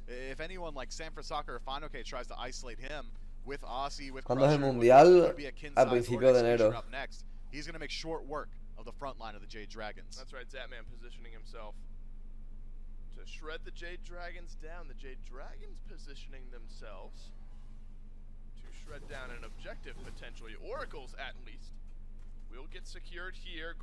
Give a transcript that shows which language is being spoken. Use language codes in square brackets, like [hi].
[en] If anyone like Sanfra Soccer or Final K tries to isolate him with Aussie with [es] cuando es el mundial a principio de enero. [en] Next, he's going to make short work of the front line of the Jade Dragons. That's right, Zapman positioning himself to shred the Jade Dragons down. The Jade Dragons positioning themselves shred down an objective, potentially. Oracles, at least, will get secured here.